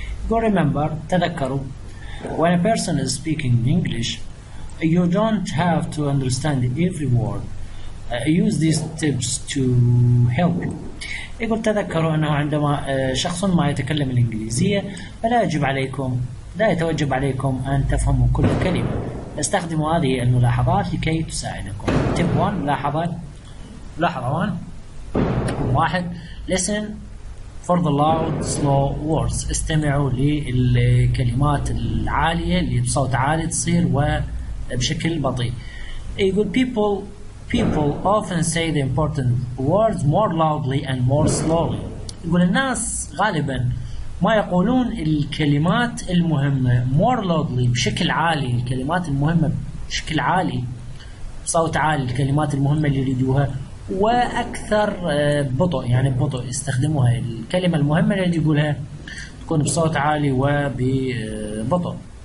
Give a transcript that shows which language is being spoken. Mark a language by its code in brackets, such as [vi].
[en] Go remember [ar] تذكروا [en] when a person is speaking English you don't have to understand every word. Use these tips to help you. [ar] يقول تذكروا أنه عندما شخص ما يتكلم الإنجليزية فلا يجب عليكم لا يتوجب عليكم أن تفهموا كل كلمة. استخدموا هذه الملاحظات لكي تساعدكم. [en] Tip 1 [ar] ملاحظة 1 [en] listen for the loud slow words. [ar] استمعوا للكلمات العالية اللي بصوت عالي تصير وبشكل بطيء. يقول [en] people often say the important words more loudly and more slowly. [ar] يقول الناس غالبا ما يقولون الكلمات المهمة [en] more loudly [ar] بشكل عالي, الكلمات المهمة بشكل عالي بصوت عالي, الكلمات المهمة اللي يريدوها وأكثر بطء, يعني بطء يستخدموها, الكلمة المهمة اللي يقولها تكون بصوت عالي وببطء.